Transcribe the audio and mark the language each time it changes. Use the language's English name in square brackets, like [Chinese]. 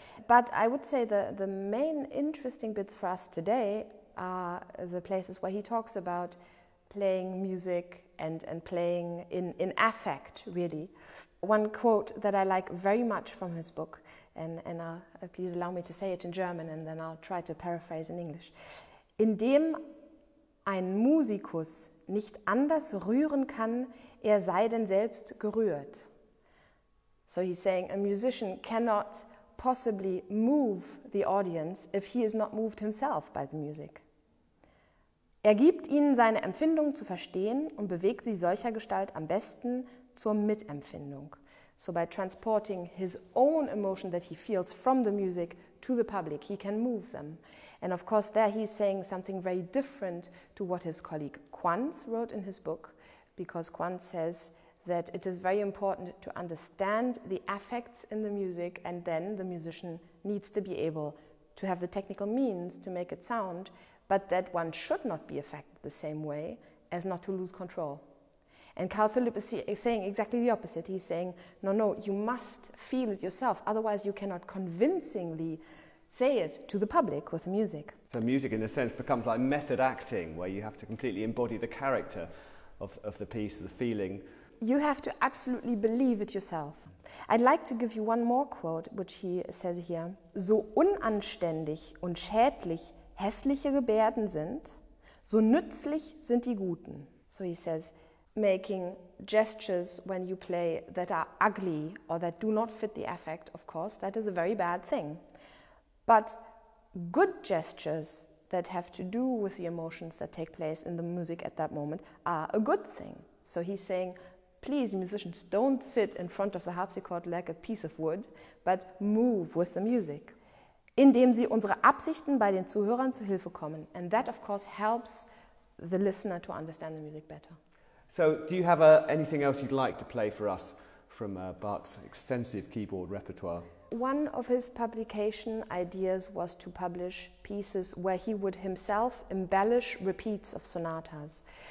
[English] But I would say the main interesting bits for us today are the places where he talks about playing music and playing in affect, really. One quote that I like very much from his book, and please allow me to say it in German and then I'll try to paraphrase in English. [German] Indem ein Musikus nicht anders rühren kann, sei denn selbst gerührt. [English] So he's saying a musician cannot possibly move the audience if he is not moved himself by the music. [German] Gibt ihnen seine Empfindung zu verstehen und bewegt sie solcher Gestalt am besten zur Mitempfindung. [English] So by transporting his own emotion that he feels from the music to the public, he can move them. And of course there he's saying something very different to what his colleague Quanz wrote in his book, because Quanz says that it is very important to understand the affects in the music, and then the musician needs to be able to have the technical means to make it sound, but that one should not be affected the same way as not to lose control. And Carl Philipp is saying exactly the opposite. He's saying, no, you must feel it yourself, otherwise you cannot convincingly say it to the public with the music. So music, in a sense, becomes like method acting, where you have to completely embody the character of the piece, the feeling. You have to absolutely believe it yourself. I'd like to give you one more quote, which he says here. [German] So unanständig und schädlich hässliche Gebärden sind, so nützlich sind die guten. [English] So he says, making gestures when you play that are ugly or that do not fit the affect, of course, that is a very bad thing. But good gestures that have to do with the emotions that take place in the music at that moment are a good thing. So he's saying, please, musicians, don't sit in front of the harpsichord like a piece of wood, but move with the music. [German] Indem sie unsere Absichten bei den Zuhörern zu Hilfe kommen. [English] And that, of course, helps the listener to understand the music better. So, do you have anything else you'd like to play for us from Bach's extensive keyboard repertoire? One of his publication ideas was to publish pieces where he would himself embellish repeats of sonatas.